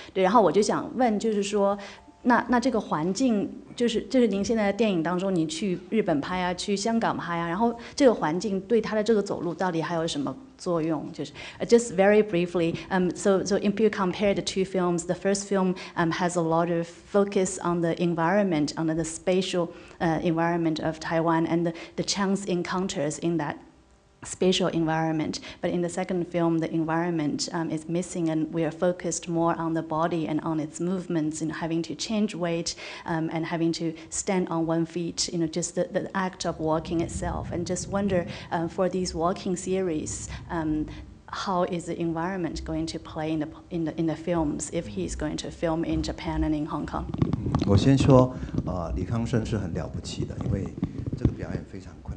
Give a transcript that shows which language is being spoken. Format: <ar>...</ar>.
<zh>对，然后我就想问，就是说那这个环境就是您现在的电影当中，你去日本拍啊，去香港拍啊，然后这个环境对他的这个走路到底还有什么作用？就是</zh> <en>just very briefly, so if you compare the two films, the first film has a lot of focus on the environment, on the spatial environment of Taiwan and the chance encounters in that spatial environment. But in the second film, the environment is missing, and we are focused more on the body and on its movements, and having to change weight and having to stand on one feet, you know, just the act of walking itself. And just wonder, for these walking series, how is the environment going to play in the films if he's going to film in Japan and in Hong Kong?</en> <zh>我先说，李康生是很了不起的，因为这个表演非常。</zh>